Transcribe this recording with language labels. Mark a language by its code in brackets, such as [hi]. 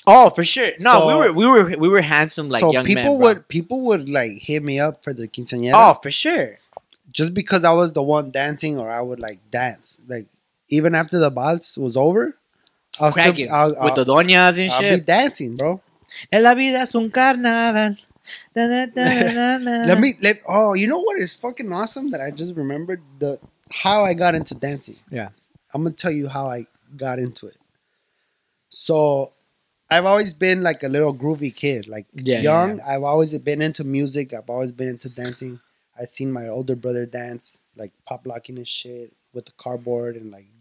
[en] Oh, for sure. No, so, we were handsome, like, so young people, men. People would like hit me up for the quinceañera. Oh, for sure. Just because I was the one dancing, or I would like dance, like even after the vals was over, I'll with the doñas and shit. I'll be dancing, bro. [es] En la vida es un carnaval. Da, da, da, da, da. Let me. [en] Oh, you know what is fucking awesome that I just remembered, the how I got into dancing. Yeah. I'm going to tell you how I got into it. So, I've always been like a little groovy kid. Like, young. I've always been into music. I've always been into dancing. I've seen my older brother dance, like pop locking and shit with the cardboard and like.